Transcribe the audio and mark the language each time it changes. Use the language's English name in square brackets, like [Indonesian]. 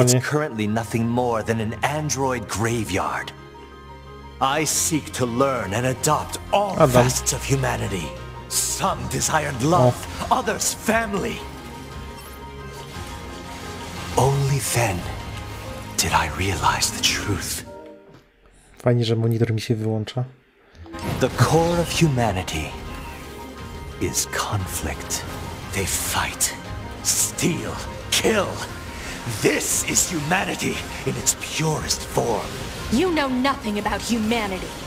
[English] And yet it's currently nothing more than an android graveyard. I seek to learn and adopt all facets of humanity. Some desired love, others family. Only then did I realize the truth. [Polish] Fajnie, że monitor mi się wyłącza. [English] The core of humanity is conflict. They fight, steal, kill. This is humanity in its purest form. You know nothing about humanity.